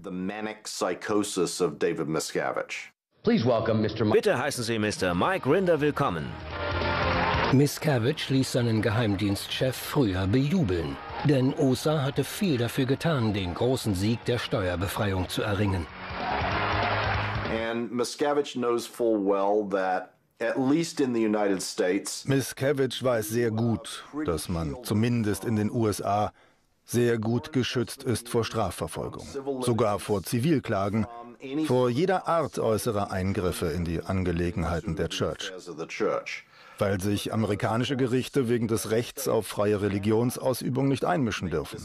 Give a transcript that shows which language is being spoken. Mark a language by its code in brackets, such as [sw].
[en] The manic psychosis of David Miscavige. Please welcome Mr. [de] Bitte heißen Sie Mr. Mike Rinder willkommen. Miscavige ließ seinen Geheimdienstchef früher bejubeln. Denn OSA hatte viel dafür getan, den großen Sieg der Steuerbefreiung zu erringen. [en] And Miscavige knows full well that at least in the United States. [de] Miscavige weiß sehr gut, dass man zumindest in den USA sehr gut geschützt ist vor Strafverfolgung, sogar vor Zivilklagen, vor jeder Art äußerer Eingriffe in die Angelegenheiten der Church. Weil sich amerikanische Gerichte wegen des Rechts auf freie Religionsausübung nicht einmischen dürfen.